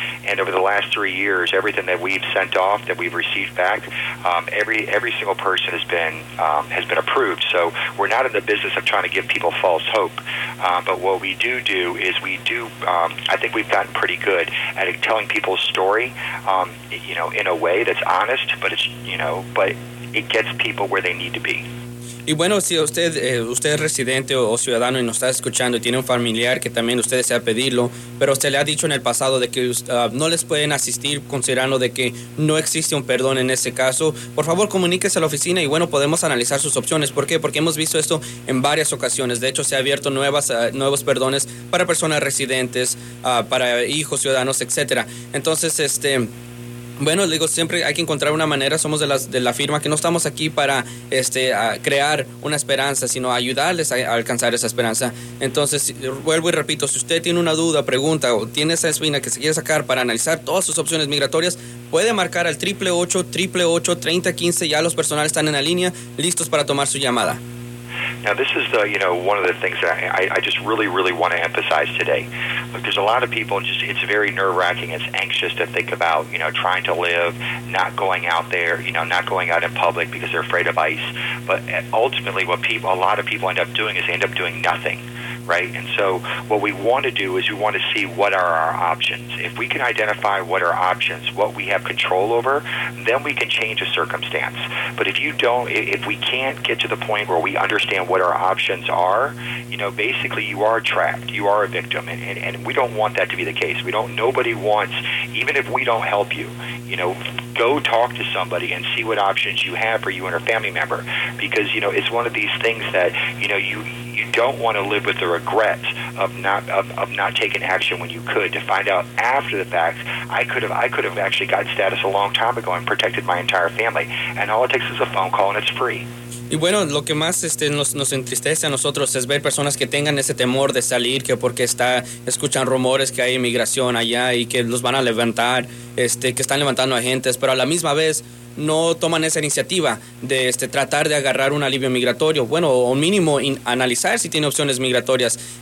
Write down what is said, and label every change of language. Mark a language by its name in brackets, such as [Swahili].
[English] And over the last 3 years, everything that we've sent off, that we've received back, every single person has been approved. So we're not in the business of trying to give people false hope. But what we do is we do, I think we've gotten pretty good at telling people's story, you know, in a way that's honest, but it's, you know, but it gets people where they need to be. [Spanish] Y bueno, si usted es residente o ciudadano y nos está escuchando y tiene un familiar que también usted desea pedirlo, pero usted le ha dicho en el pasado de que no les pueden asistir considerando de que no existe un perdón en ese caso, por favor comuníquese a la oficina y bueno, podemos analizar sus opciones. ¿Por qué? Porque hemos visto esto en varias ocasiones. De hecho, se ha abierto nuevos perdones para personas residentes, para hijos, ciudadanos, etcétera. Entonces, bueno, le digo, siempre hay que encontrar una manera. Somos de la firma que no estamos aquí para crear una esperanza, sino ayudarles a alcanzar esa esperanza. Entonces, vuelvo y repito, si usted tiene una duda, pregunta o tiene esa espina que se quiere sacar para analizar todas sus opciones migratorias, puede marcar al 888-888-3015. Ya los personales están en la línea, listos para tomar su llamada. [English] Now, this is the, you know, one of the things that I just really, really want to emphasize today. Look, there's a lot of people, just it's very nerve-wracking. It's anxious to think about, you know, trying to live, not going out there, you know, not going out in public because they're afraid of ICE. But ultimately, a lot of people end up doing is they end up doing nothing. Right. And so what we want to do is we want to see what are our options. If we can identify what are options, what we have control over, then we can change a circumstance. But if we can't get to the point where we understand what our options are, you know, basically you are trapped. You are a victim. And we don't want that to be the case. Nobody wants, even if we don't help you, you know, go talk to somebody and see what options you have for you and a family member. Because, you know, it's one of these things that, you know, you don't want to live with the regret of not taking action when you could, to find out after the fact, I could have actually got status a long time ago and protected my entire family. And all it takes is a phone call and it's free. [Spanish] Y bueno, lo que más nos entristece a nosotros es ver personas que tengan ese temor de salir, que porque escuchan rumores que hay inmigración allá y que los van a levantar, que están levantando agentes, pero a la misma vez no toman esa iniciativa de tratar de agarrar un alivio migratorio, bueno, o mínimo analizar si tiene opciones migratorias.